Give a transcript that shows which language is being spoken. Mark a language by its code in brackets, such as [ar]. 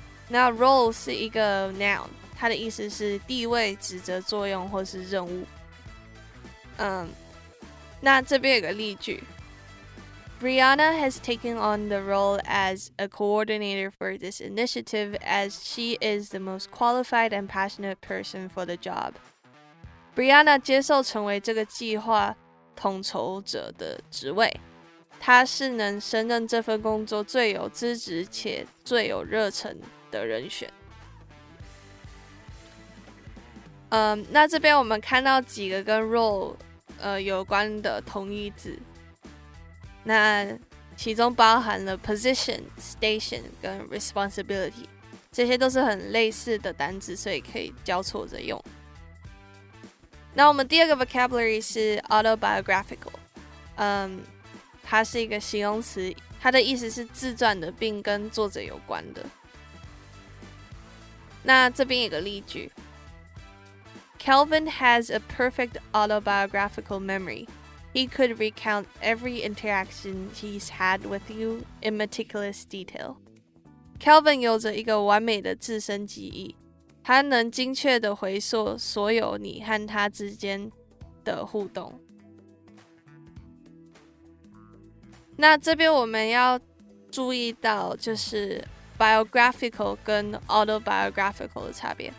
[zh] 那 role 是一个 noun， 它的意思是地位、职责、作用或是任务。那这边有个例句 [en] ：Brianna has taken on the role as a coordinator for this initiative as she is the most qualified and passionate person for the job. [zh] Brianna 接受成为这个计划统筹者的职位，她是能胜任这份工作最有资质且最有热忱的人选。那这边我们看到几个跟 role 有关的同义字。那其中包含了 position、station 跟 responsibility， 这些都是很类似的单字，所以可以交错着用。那我们第二个 vocabulary 是 autobiographical， 它是一个形容词，它的意思是自传的，并跟作者有关的。那这边有个例句 [en] ：Kelvin has a perfect autobiographical memory. He could recount every interaction he's had with you in meticulous detail. [zh] Kelvin 有着一个完美的自身记忆，他能精确地回溯所有你和他之间的互动。那这边我们要注意到就是 biographical 跟 autobiographical 的差别。